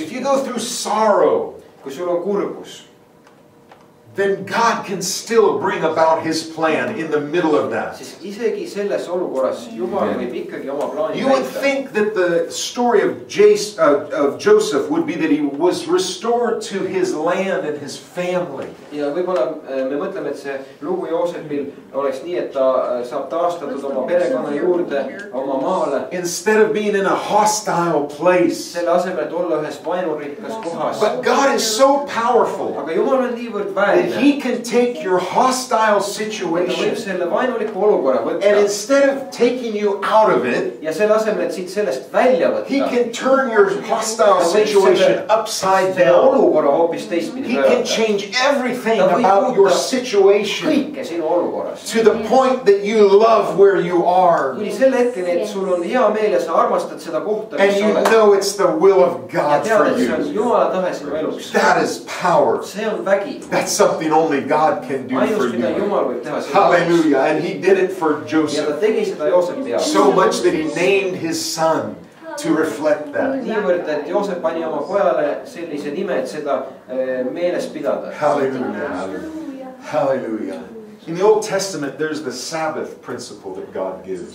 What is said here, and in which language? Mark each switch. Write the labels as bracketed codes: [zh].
[en] if you go through sorrow, [et] kui sul on kurbus, [en] then God can still bring about His plan in the middle of that. [et] Isegi selles olukorras Jumal võib ikkagi oma plaani täita. [en] You would think that the story of Joseph would be that he was restored to his land and his family. [et] Ja võib-olla me mõtleme, et see lugu Joosepil oleks nii, et ta saab taastatud oma perekonna juurde, oma maale. [en] Instead of being in a hostile place. [et] Selle asemel, et olla ühes vaenurikkas kohas. [en] But God is so powerful. [et] Aga Jumal on niivõrd [en] that he can take your hostile situation [et] selle vaenuliku olukorra võtta, [en] and instead of taking you out of it, [et] ja selle asemel, et siit sellest välja võtta, [en] he can turn your hostile situation upside down. [et] Selle olukorra hoopis teistpidi he rööta. [en] Can change everything about your situation [et] kõike sinu olukorras. [en] To the point that you love where you are. [et] Kui selle hetkel, et sul on hea meel ja sa armastad seda kohta, [en] and you know it's the will of God [et] ja tead, [en] for you. [et] Jumala tahe sinu eluks. [en] That is power. [et] See on vägi. [en] That's something only God can do [et] ainus, [en] for you. [et] Jumal võib teha seda. [en] Hallelujah. And he did it for Joseph. [et] Ja ta tegi seda Joosepi peale. [en] So much that he named his son to reflect that. [et] Niivõrd, et Joosep pani oma pojale sellise nime, et seda meeles pidada. [en] Hallelujah. Hallelujah. In the Old Testament, there's the Sabbath principle that God gives.